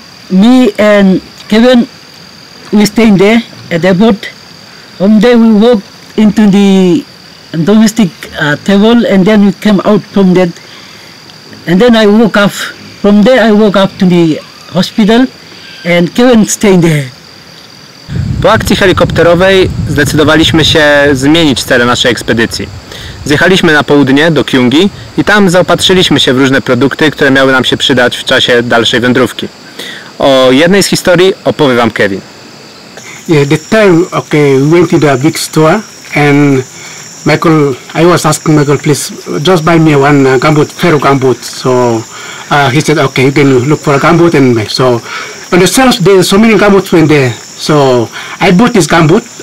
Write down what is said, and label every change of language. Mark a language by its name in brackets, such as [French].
[English] Me and Kevin, we stay there at the airport. From there we walk into the domestic table, and then we came out from that. And then I woke up, from there I woke up to the hospital, and Kevin stayed there. [Polish] Po akcji helikopterowej zdecydowaliśmy się zmienić cele naszej ekspedycji. Zjechaliśmy na południe do Kyungi i tam zaopatrzyliśmy się w różne produkty, które miały nam się przydać w czasie dalszej wędrówki. O jednej z historii opowie wam Kevin. [English] Yeah, the time okay, we went to a big store and Michael, I was asking Michael, please just buy me one gumboot, pair of gumboot. So he said, okay, you can look for a gumboot and make. So on the shelves, there's so many gumboots were there. So I bought this gumboot.